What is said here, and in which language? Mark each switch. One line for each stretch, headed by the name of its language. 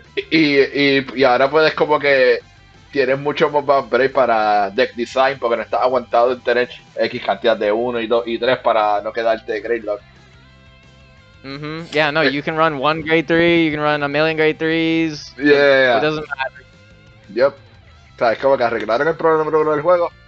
Spanish: Y ahora puedes como que tienes mucho más break para deck design porque no estás aguantado en tener X cantidad de 1 y 2 y 3 para no quedarte Great Lock. Mm-hmm.
English: Yeah, no, you can run one Great 3, you can run a million Great 3s. Yeah. It doesn't matter. Yep.
Spanish: O sea, es como que arreglaron el problema número uno del juego.